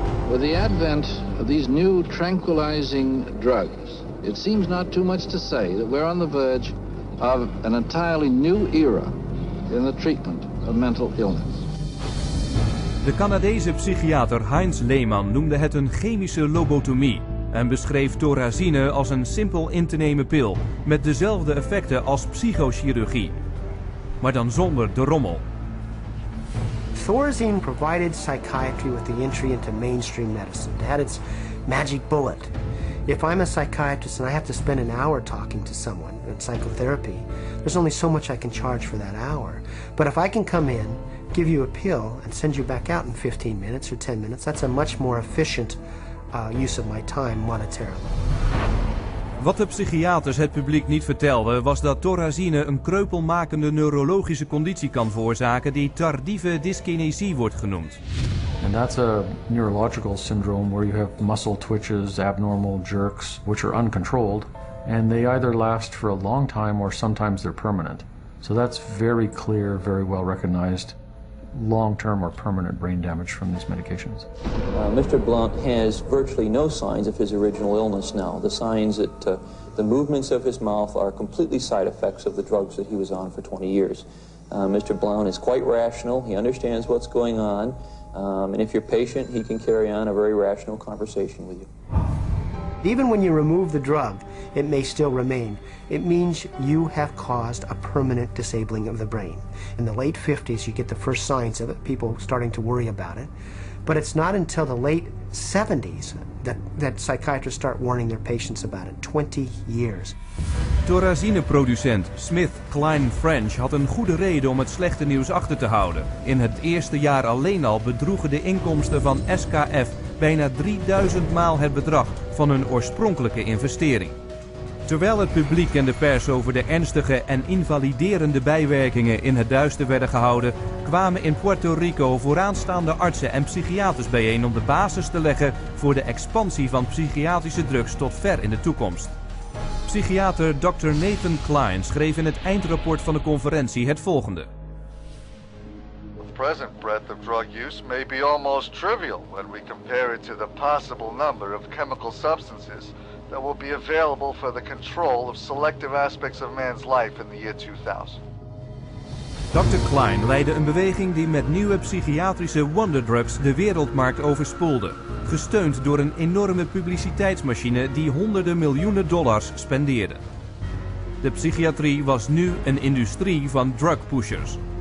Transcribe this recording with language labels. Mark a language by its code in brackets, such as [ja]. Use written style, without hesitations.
[en] With the advent of these new tranquilizing drugs, it seems not too much to say that we're on the verge of an entirely new era in the treatment of mental illness. [nl] De Canadese psychiater Heinz Lehmann noemde het een chemische lobotomie en beschreef thorazine als een simpel in te nemen pil met dezelfde effecten als psychochirurgie, maar dan zonder de rommel. [en] Thorazine provided psychiatry with the entry into mainstream medicine. It had its magic bullet. If I'm a psychiatrist and I have to spend an hour talking to someone in psychotherapy, there's only so much I can charge for that hour. But if I can come in, give you a pill, and send you back out in 15 minutes or 10 minutes, that's a much more efficient use of my time monetarily. [nl] Wat de psychiaters het publiek niet vertelden, was dat thorazine een kreupelmakende neurologische conditie kan veroorzaken die tardieve dyskinesie wordt genoemd. [en] And that's a neurological syndrome where you have muscle twitches, abnormal jerks, which are uncontrolled, and they either last for a long time or sometimes they're permanent. So that's very clear, very well recognized, long-term or permanent brain damage from these medications. Mr. Blunt has virtually no signs of his original illness now. The signs that the movements of his mouth are completely side effects of the drugs that he was on for 20 years. Mr. Blount is quite rational. He understands what's going on. And if you're patient, he can carry on a very rational conversation with you. Even when you remove the drug, it may still remain. It means you have caused a permanent disabling of the brain. In the late 50s, you get the first signs of it, people starting to worry about it. But it's not until the late 70s that psychiatrists start warning their patients about it. 20 years. [nl] Thorazine-producent Smith Klein French had een goede reden om het slechte nieuws achter te houden. In het eerste jaar alleen al bedroegen de inkomsten van SKF bijna 3000 maal het bedrag van hun oorspronkelijke investering. Terwijl het publiek en de pers over de ernstige en invaliderende bijwerkingen in het duister werden gehouden, kwamen in Puerto Rico vooraanstaande artsen en psychiaters bijeen om de basis te leggen voor de expansie van psychiatrische drugs tot ver in de toekomst. Psychiater Dr. Nathan Klein schreef in het eindrapport van de conferentie het volgende. [en] The present breadth of drug use may be almost trivial when we compare it to the possible number of chemical substances that will be available for the control of selective aspects of man's life in the year 2000. [nl] Dr. Klein leidde een beweging die met nieuwe psychiatrische wonderdrugs de wereldmarkt overspoelde, gesteund door een enorme publiciteitsmachine die honderden miljoenen dollars spendeerde. De psychiatrie was nu een industrie van drugpushers.